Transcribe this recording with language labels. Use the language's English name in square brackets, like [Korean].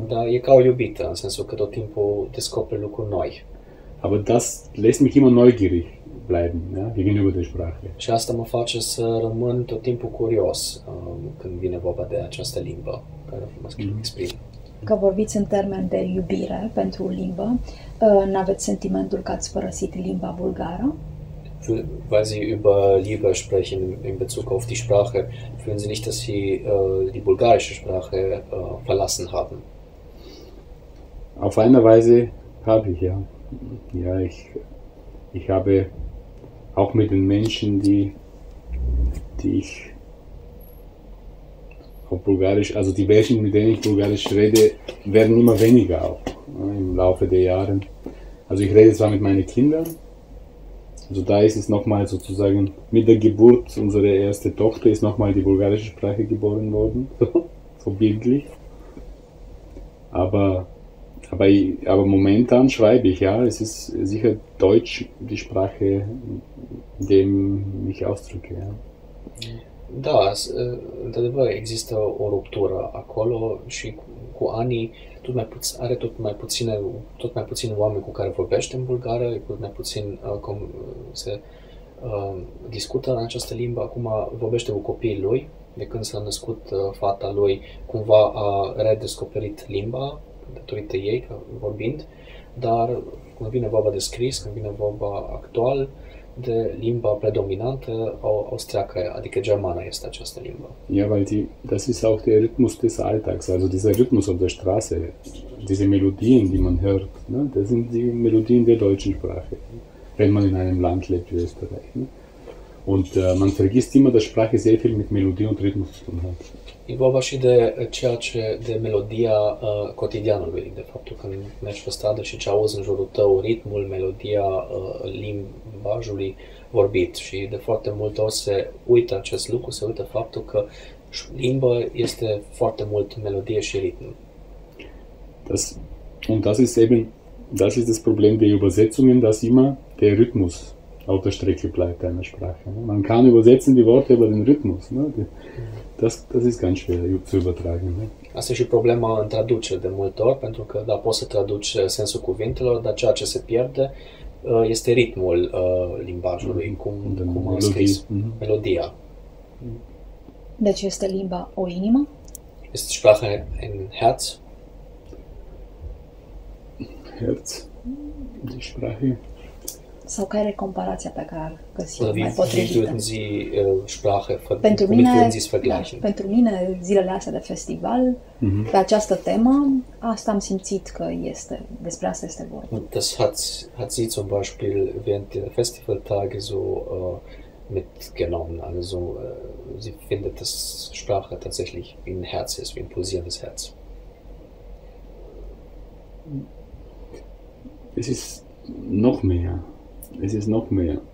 [Romanian] Da, e ca o iubită, în sensul că tot timpul descoperi lucruri noi. [German] Aber das lässt mich immer neugierig bleiben, ja, gegenüber der Sprache. [Romanian] Și asta mă face să rămân tot timpul curios când vine vorba de această limbă care mă exprim. Că vorbiți în termen de iubire pentru limbă, n-aveți sentimentul că ați părăsit limba bulgară? [German] Weil Sie über Liebe sprechen in Bezug auf die Sprache, fühlen Sie nicht, dass Sie die bulgarische Sprache verlassen haben? Auf eine Weise habe ich, ja. Ja, ich habe auch mit den Menschen, die die ich auf Bulgarisch, also die Menschen, mit denen ich Bulgarisch rede, werden immer weniger auch, ne, im Laufe der Jahre. Also ich rede zwar mit meinen Kindern, also da ist es nochmal sozusagen mit der Geburt unserer ersten Tochter ist nochmal die bulgarische Sprache geboren worden, so bildlich. Aber momentan schreibe ich, ja, es ist sicher Deutsch die Sprache, in dem ich ausdrücke, ja. [Romanian] Da, într-adevăr, există o ruptură acolo și cu anii tot mai puț- are tot mai puține, tot mai puțin oameni cu care vorbește în bulgară, tot mai puțin cum se discută în această limbă. Acum vorbește cu copiii lui, de când s-a născut fata lui, cumva a redescoperit limba datorită ei, că vorbind, dar când vine vorba de scris, când vine vorba actual, de limba predominantă austriacă, adică germana este această limbă. [German] Ja, weil die, das ist auch der Rhythmus des Alltags, also dieser Rhythmus auf der Straße, diese Melodien, die man hört, ne, das sind die Melodien der deutschen Sprache, wenn man in einem Land lebt wie Österreich. Ne? Und man vergisst immer, dass Sprache sehr viel mit Melodie und Rhythmus zu tun hat. [Romanian] E vorba și de ceea ce de melodia cotidianului, de faptul când mergi pe stradă și ce auzi în jurul tău, ritmul, melodia limbajului vorbit. Și de foarte multe ori se uită acest lucru, se uită faptul că limba este foarte mult melodie și ritm. [German] Das, und das ist eben, das ist das Problem der Übersetzungen, dass immer der Rhythmus auf der Strecke bleibt einer Sprache. Ne? Man kann übersetzen die Worte über den Rhythmus. Ne? Die, Das ist ganz schwer zu übertragen. Ne? [Romanian] Asta e și problema în traducere de multe ori, pentru că da, poți să traduci sensul cuvintelor, dar ceea ce se pierde este ritmul limbajului, cum a scris, melodia. Deci este limba o inimă? Este [German] Sprache ein Herz? Herz? Die Sprache? [Romanian] Sau care e comparația pe care ar găsi mai potrivită? [German] Wie würden Sie Sprache vergleichen? [Romanian] Pentru mine, zilele astea de festival, pe această temă, asta am simțit că este, despre asta este vorba. [German] Und das hat sie zum Beispiel während der Festivaltage so mitgenommen. Also sie findet, dass Sprache tatsächlich wie ein Herz ist, wie ein pulsierendes Herz. Es ist noch mehr. Es ist noch mehr.